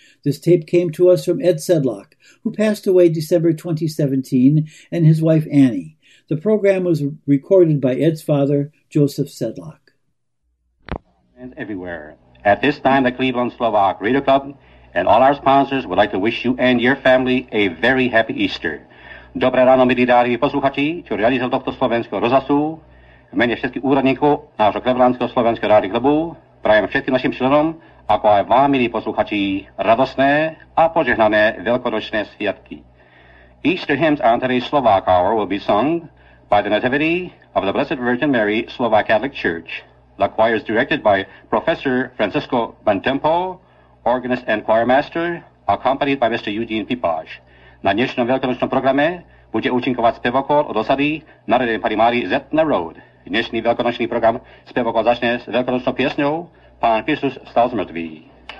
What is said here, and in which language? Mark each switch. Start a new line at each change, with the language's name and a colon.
English: This tape came to us from Ed Sedlock, who passed away December 2017, and his wife Annie. The program was recorded by Ed's father, Joseph Sedlock. And everywhere. At this time, the Cleveland Slovak Radio Club and all our sponsors would like to wish you and your family a very happy Easter.
Slovak: Dobré ráno, milí dárivi posluchači, čo realizujú tohto slovenského rozhlasu. V mene všetkých úradníkov nášho Clevelandského slovenského rádia klubu prajem všetkým našim členom, ako aj vám, milí posluchači, radosné a požehnané veľkonočné sviatky.
English: Easter hymns on today's Slovak Hour will be sung by the Nativity of the Blessed Virgin Mary Slovak Catholic Church. The choir is directed by Professor Francisco Bantempo, organist and choir master, accompanied by Mr. Eugene Pipáš.
Slovak: Na dnešnom veľkonočnom programe bude účinkovať spevokol od osady Narodenej Panny Márie z Etna Road. Dnešný veľkonočný program spevokol začne s veľkonočnou piesňou Pán Kristus vstal z mŕtvych.